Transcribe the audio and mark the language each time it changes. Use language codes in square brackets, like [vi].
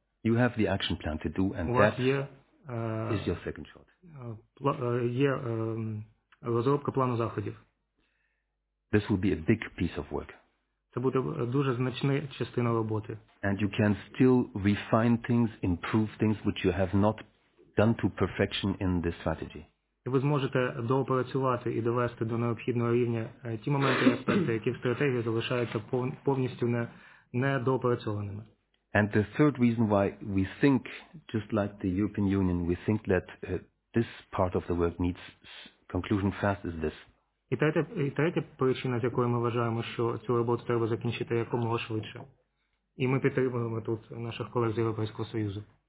[en] You have the action plan to do, and that is your second shot. [uk] Є розробка плану заходів. [en] This will be a big piece of work. [uk] Це буде дуже значна частина роботи. [en] And you can still refine things, improve things, which you have not done to perfection in this strategy. [uk] Ви зможете доопрацювати і довести до необхідного рівня ті моменти і аспекти, які в стратегії залишаються повністю недоопрацьованими. [en] And the third reason why we think, just like the European Union, we think that this part of the work needs conclusion fast is this. [uk] І третя причина, з якою ми вважаємо, що цю роботу треба закінчити якомога швидше. І ми підтримуємо тут наших колег з Європейського Союзу.